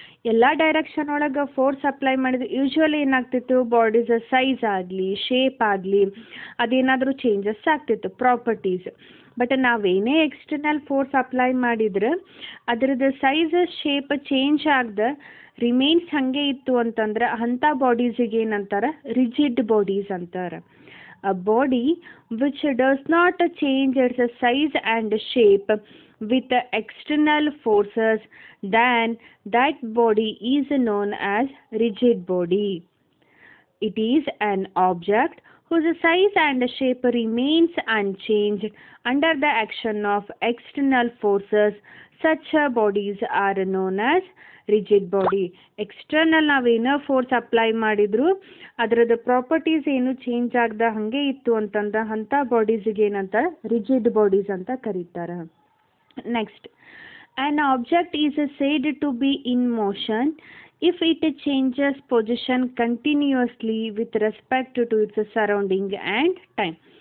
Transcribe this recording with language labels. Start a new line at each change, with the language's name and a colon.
Kannada: ಎಲ್ಲ ಡೈರೆಕ್ಷನ್ ಒಳಗೆ force apply ಮಾಡಿದ್ವಿ, ಯೂಶ್ವಲಿ ಏನಾಗ್ತಿತ್ತು, ಬಾಡಿಸ ಸೈಜ್ ಆಗಲಿ ಶೇಪ್ ಆಗಲಿ ಅದೇನಾದರೂ ಚೇಂಜಸ್ ಆಗ್ತಿತ್ತು properties. But ನಾವೇನೇ external force apply ಮಾಡಿದ್ರೆ ಅದರದ್ದು ಸೈಜ್ ಶೇಪ್ ಚೇಂಜ್ ಆಗದೆ ರಿಮೈನ್ಸ್ ಹಾಗೆ ಇತ್ತು ಅಂತಂದ್ರೆ ಅಂಥ ಬಾಡೀಸಿಗೆ ಏನಂತಾರೆ, ರಿಜಿಡ್ ಬಾಡೀಸ್ ಅಂತಾರೆ.
English: A body which does not change its size and shape with external forces, then that body is known as rigid body. It is an object whose size and shape remains unchanged under the action of external forces. Such bodies are known as rigid body.
Kannada: External ನಾವೇನೋ force apply ಮಾಡಿದ್ರು ಅದರದ್ದು properties ಏನು change ಆಗದ ಹಾಗೆ ಇತ್ತು ಅಂತಂದ ಅಂಥ ಬಾಡೀಸ್ಗೆ ಏನಂತ ರಿಜಿಡ್ ಬಾಡೀಸ್ ಅಂತ ಕರೀತಾರೆ.
English: Next an object is said to be in motion if it changes position continuously with respect to its surrounding and time.